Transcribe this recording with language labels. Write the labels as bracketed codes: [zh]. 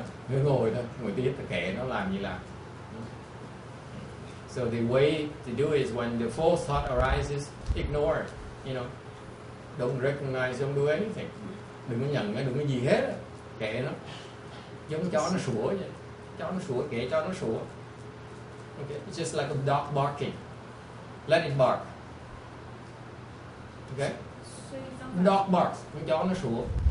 [vi] Cứ ngồi thôi, ngồi tiếp thì kệ nó làm gì làm. [en] So the way to do is when the false thought arises, ignore it, you know. Don't recognize, don't do anything. [vi] Đừng có nhận, đừng có gì hết. Kệ nó. Giống chó nó sủa vậy. Chó nó sủa, kệ cho nó sủa. Okay. [en] It's just like a dog barking. Let it bark. [vi] Okay? [en] Dog barks. [vi] Con chó nó sủa.